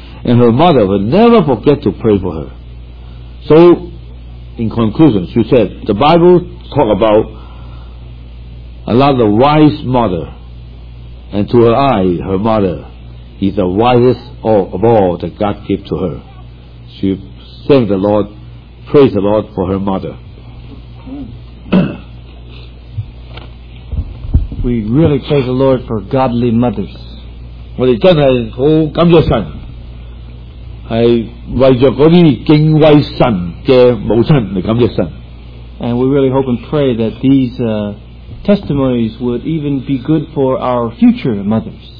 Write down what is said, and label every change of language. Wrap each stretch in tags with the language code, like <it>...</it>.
<en>And her mother would never forget to pray for her. So, in conclusion, she said, the Bible talk about a lot of wise mother, and to her eye, her mother is the wisest of all that God gave to her. She thanked the Lord, praised the Lord for her mother. We really praise the Lord for godly mothers.</en> <zh>我们真的很感谢神。是为了那些敬畏神的母亲来感谢神。</zh> <en>And we really hope and pray that these testimonies would even be good for our future mothers.</en>